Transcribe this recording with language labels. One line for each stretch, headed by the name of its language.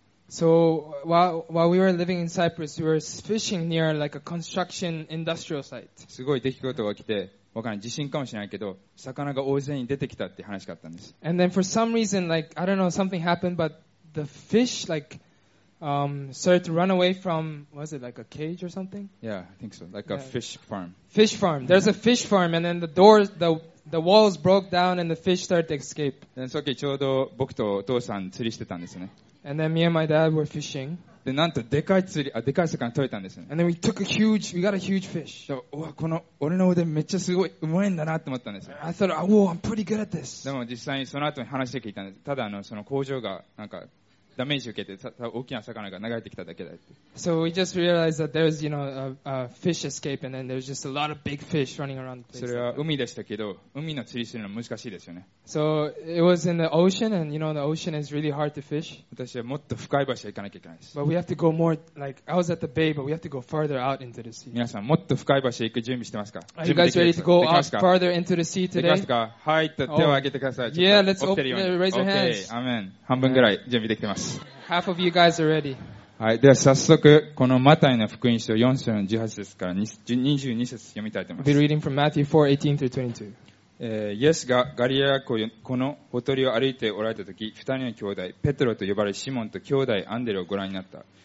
English: So while we were living in Cyprus, we were fishing near like a construction industrial site.
Japanese: すごい出来事が起きて、わからない、地震かもしれないけど、魚が大勢に出てきたって話があったんです。
English: And then for some reason, like I don't know, something happened, but the fish likestarted to run away from, was it like a cage or something? Yeah, I think so. Like a fish farm. Fish farm. There's a fish farm, and then the doors, the walls broke down, and the fish started to escape.
Japanese: で、その時ちょうど僕とお父さん釣りしてたんですね。
English: And then me and my dad were fishing.
Japanese: で、なんとでかい魚取れたんですね。
English: And then we got a huge fish.
Japanese: で、うわ、この俺の腕めっちゃすごい、うまいんだなって思ったんですよ。
English: I thought, oh, I'm pretty good at this.
Japanese: でも実際にその後に話して聞いたんです。ただ、その工場がなんか、ダメージ受けて大きな魚が流れてきただけだって。
English: So we just realized that there's, you know, a fish escape and then there's just a lot of big fish running around the place.
Japanese: それは海でしたけど、海の釣りするの難しいですよね。
English: So it was in the ocean and you know the ocean is really hard to fish.
Japanese: 私はもっと深い場所へ行かなきゃいけないです。
English: But we have to go more, like, I was at the bay, but we have to go farther out into the sea.
Japanese: 皆さん、もっと深い場所へ行く準備してますか？
English: Are you guys ready to go out farther into the sea today?
Japanese: できますか？はい、と手を挙げてください。
English: Oh. Yeah, let's open, raise your hands. Okay, amen.
Japanese: 半分ぐらい準備できてます。
English: Half of you guys are ready.
Japanese: はい、では早速このマタイの福音書4章の18節から22節読みたいと思います。
English: We'll be reading from Matthew 4, 18 through 22.
Japanese: イエスがガリラヤ湖このほとりを歩いておられた時、二人の兄弟ペトロと呼ばれシモンと兄弟アンデレをご覧になった。